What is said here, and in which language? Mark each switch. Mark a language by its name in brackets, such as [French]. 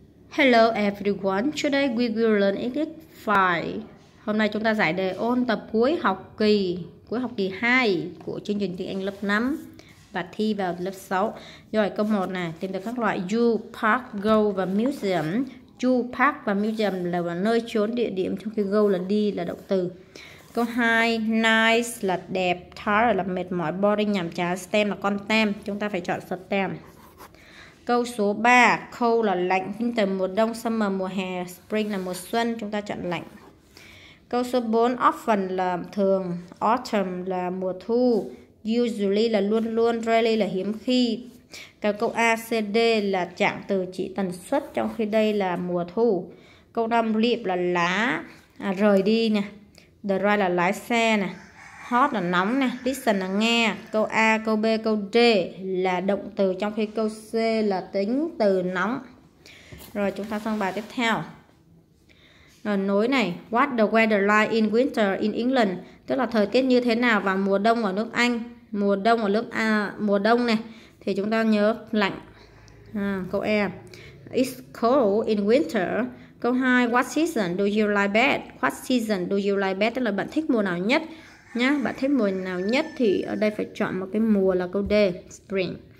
[English] Hello everyone, today we will learn English 5. [Vietnamese] Hôm nay chúng ta giải đề ôn tập cuối học kỳ 2 của chương trình tiếng Anh lớp 5 và thi vào lớp 6. Rồi câu 1 này, tìm được các loại zoo, park, go và museum. Zoo, park và museum là nơi chốn địa điểm, trong khi go là đi là động từ. Câu 2, nice là đẹp, tired là mệt mỏi, boring nhàm chán, stem là con tem. Chúng ta phải chọn stem. Câu số 3, cold là lạnh, winter mùa đông, summer mùa hè, spring là mùa xuân, chúng ta chọn lạnh. Câu số 4, often là thường, autumn là mùa thu, usually là luôn luôn, rarely là hiếm khi. Câu A, C, D là trạng từ chỉ tần suất, trong khi đây là mùa thu. Câu 5, leave là lá, rời đi nè, drive là lái xe nè, hot là nóng nè, listen là nghe. Câu A, câu B, câu D là động từ, trong khi câu C là tính từ nóng. Rồi chúng ta sang bài tiếp theo. Rồi nối này, [English] what the weather like in winter in England? [Vietnamese] Tức là thời tiết như thế nào vào mùa đông ở nước Anh? Mùa đông ở nước A, mùa đông này thì chúng ta nhớ lạnh. Câu E, [English] it's cold in winter. [Vietnamese] Câu 2, [English] what season do you like best? What season do you like best? [Vietnamese] Tức là bạn thích mùa nào nhất? Nhá, bạn thích mùa nào nhất thì ở đây phải chọn một cái mùa là câu D, spring.